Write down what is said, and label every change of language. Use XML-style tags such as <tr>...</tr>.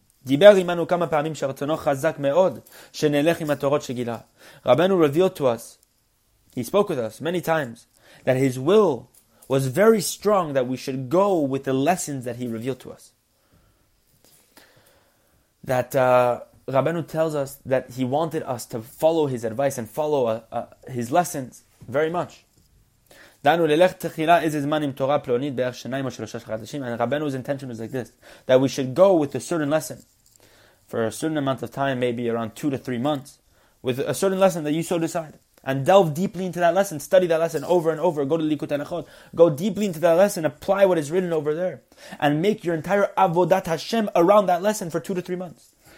<he>דיבר עמנו כמה פעמים שרצונו חזק מאוד שנלך עם התורות שגילה.</he> <en>Rabbeinu revealed to us, he spoke with us many times, that his will was very strong that we should go with the lessons that he revealed to us. That Rabbeinu tells us that he wanted us to follow his advice and follow his lessons very much.</en> <he>דנו ללך תחילה איזה זמן עם תורה פלונית בערך שניים או שלושה חדשים.</he> <en>And Rabbeinu's intention was like this, that we should go with a certain lesson for a certain amount of time, maybe around 2 to 3 months, with a certain lesson that you so decide, and delve deeply into that lesson, study that lesson over and over, go to Likut HaNechot, go deeply into that lesson, apply what is written over there, and make your entire avodat HaShem around that lesson for 2 to 3 months.</en>